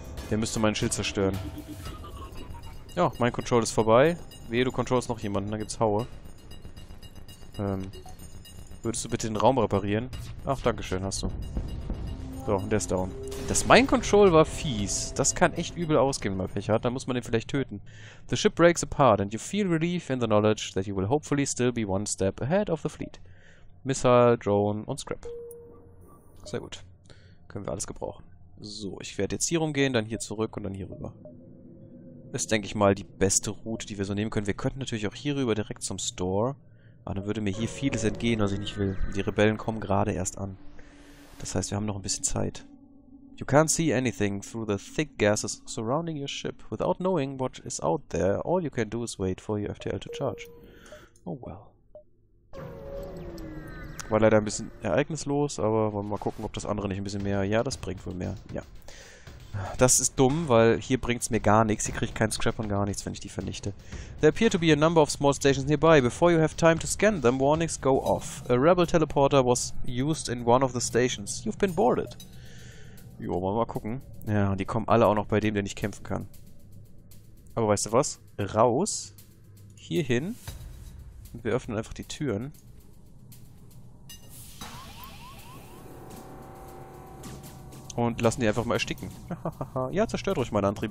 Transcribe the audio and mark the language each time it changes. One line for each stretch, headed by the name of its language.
German: Der müsste mein Schild zerstören. Ja, mein Control ist vorbei. Wehe, du controlst noch jemanden, dann gibt's Haue. Würdest du bitte den Raum reparieren? Ach, dankeschön, hast du. So, und der ist down. Das Mind Control war fies. Das kann echt übel ausgehen, wenn man Pech hat. Dann muss man den vielleicht töten.
English: The ship breaks apart and you feel relief in the knowledge that you will hopefully still be one step ahead of the fleet.
German: Missile, Drone und Scrap. Sehr gut. Können wir alles gebrauchen. So, ich werde jetzt hier rumgehen, dann hier zurück und dann hier rüber. Ist, denke ich mal, die beste Route, die wir so nehmen können. Wir könnten natürlich auch hier rüber direkt zum Store. Aber dann würde mir hier vieles entgehen, was ich nicht will. Die Rebellen kommen gerade erst an. Das heißt, wir haben noch ein bisschen Zeit.
English: You can't see anything through the thick gases surrounding your ship. Without knowing what is out there, all you can do is wait for your FTL to charge. Oh well.
German: War leider ein bisschen ereignislos, aber wollen wir mal gucken, ob das andere nicht ein bisschen mehr. Ja, das bringt wohl mehr. Ja. Das ist dumm, weil hier bringt's mir gar nichts. Hier kriegt kein Scrap und gar nichts, wenn ich die vernichte.
English: There appear to be a number of small stations nearby. Before you have time to scan them, warnings go off. A rebel teleporter was used in one of the stations. You've been boarded.
German: Jo, wollen wir mal gucken. Ja, und die kommen alle auch noch bei dem, der nicht kämpfen kann. Aber weißt du was? Raus. Hierhin. Und wir öffnen einfach die Türen. Und lassen die einfach mal ersticken. Ja, zerstört ruhig meinen Antrieb.